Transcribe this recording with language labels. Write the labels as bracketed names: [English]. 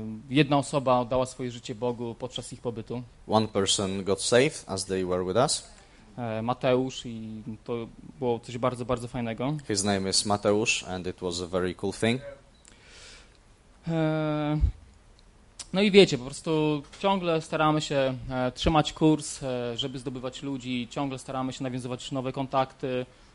[Polish] Jedna osoba oddała swoje życie Bogu podczas ich pobytu. [English] One person got saved as they were with us. [Polish] Mateusz i to było coś bardzo, bardzo fajnego. [English] His name is Mateusz and it was a very cool thing. [Polish] No i wiecie, po prostu ciągle staramy się trzymać kurs, żeby zdobywać ludzi, ciągle staramy się nawiązywać nowe kontakty.